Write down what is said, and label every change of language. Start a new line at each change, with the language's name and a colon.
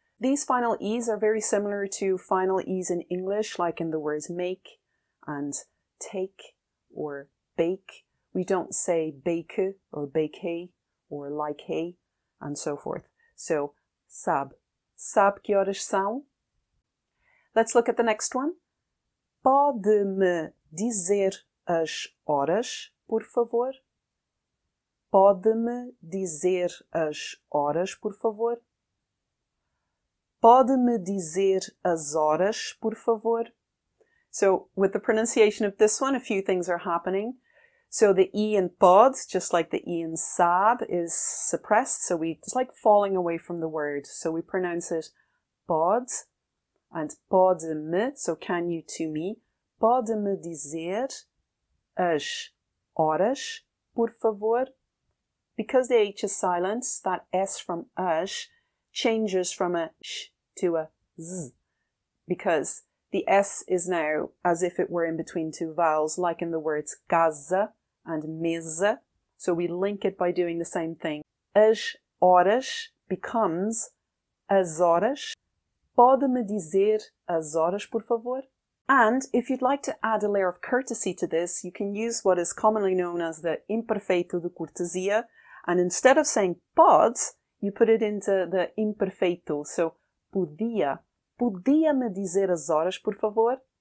English: These final E's are very similar to final E's in English, like in the words make and take or bake. We don't say bake or bake hay or like hay and so forth. So,
Portuguese: sabe. Sabe que horas são?
English: Let's look at the next one.
Portuguese: Pode-me dizer as horas, por favor? Pode-me dizer as horas, por favor? Pode-me dizer as horas, por favor?
English: So, with the pronunciation of this one, a few things are happening. So, the E in pod, just like the E in sab, is suppressed. So, it's like falling away from the word. So, we pronounce it pod and pode-me, so can you to me.
Portuguese: Pode-me dizer as horas, por favor?
English: Because the H is silent, that S from as changes from a sh to a z, because the S is now as if it were in between two vowels, like in the words casa and mesa. So we link it by doing the same thing. As horas becomes as horas.
Portuguese: Pode-me dizer as horas, por favor?
English: And if you'd like to add a layer of courtesy to this, you can use what is commonly known as the imperfeito de cortesia. And instead of saying pods, you put it into the imperfeito. So podia.
Portuguese: Podia-me dizer as horas, por favor?